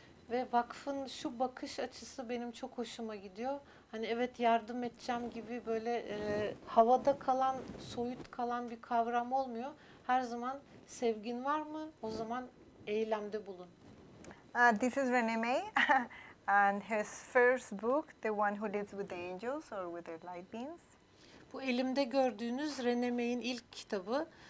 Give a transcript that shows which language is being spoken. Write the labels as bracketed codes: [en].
[tr] Ve vakfın şu bakış açısı benim çok hoşuma gidiyor. Hani evet yardım edeceğim gibi böyle havada kalan, soyut kalan bir kavram olmuyor. Her zaman sevgin var mı? O zaman eylemde bulun. [en] This is Renee May and his first book, The One Who Lives with the Angels or with the Light Beings. [tr] Bu elimde gördüğünüz Renee May'in ilk kitabı.